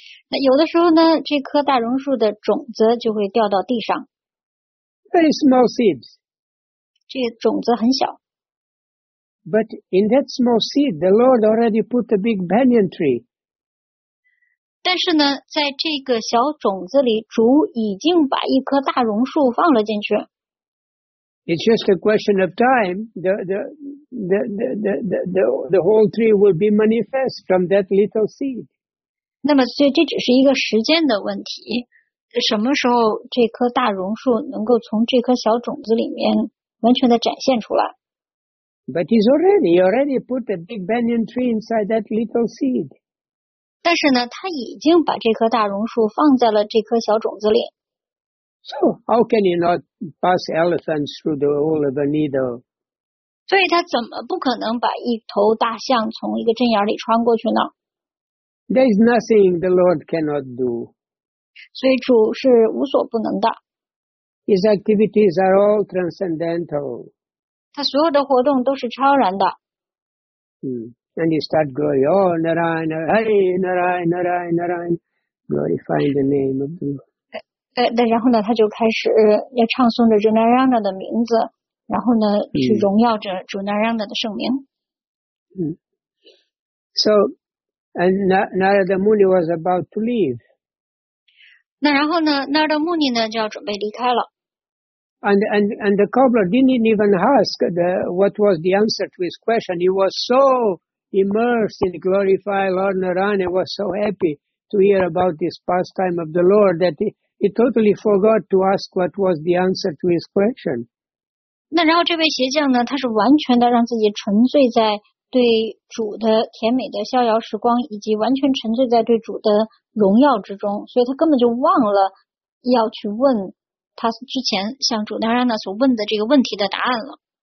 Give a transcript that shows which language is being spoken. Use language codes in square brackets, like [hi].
[zh] 那有的时候呢，这棵大榕树的种子就会掉到地上。 [en] Very small seeds. [zh] 这种子很小。 [en] But in that small seed, the Lord already put a big banyan tree. [zh] 但是呢，在这个小种子里，主已经把一棵大榕树放了进去。 [en] It's just a question of time. The whole tree will be manifest from that little seed. [zh] 那么，所以这只是一个时间的问题。什么时候这棵大榕树能够从这棵小种子里面完全的展现出来？ [en] But he already put a big banyan tree inside that little seed. [zh] 但是呢，他已经把这棵大榕树放在了这棵小种子里。 [en] So how can he not pass elephants through the hole of a needle? [zh] 所以他怎么不可能把一头大象从一个针眼里穿过去呢？ [en] There is nothing the Lord cannot do. [zh] 所以主是无所不能的。 [en] His activities are all transcendental. [zh] 他所有的活动都是超然的。 [en] And he start going, oh, Narayana, hey, Narayana, Narayana, Narayana, glorifying the name of the Lord. [zh] 然后呢，他就开始要唱诵着朱那儿央那的名字，然后呢，去荣耀着朱那儿央那的圣名。 [en] So And Narada Muni was about to leave. [zh] 那然后呢 ，Narada Muni 呢就要准备离开了。 [en] And the cobbler didn't even ask what was the answer to his question. He was so immersed in glorifying Lord Narayana, was so happy to hear about this pastime of the Lord that he totally forgot to ask what was the answer to his question. [zh] 那然后这位鞋匠呢，他是完全的让自己沉醉在对主的甜美的逍遥时光，以及完全沉醉在对主的荣耀之中，所以他根本就忘了要去问他之前向主 Narayana 所问的这个问题的答案了。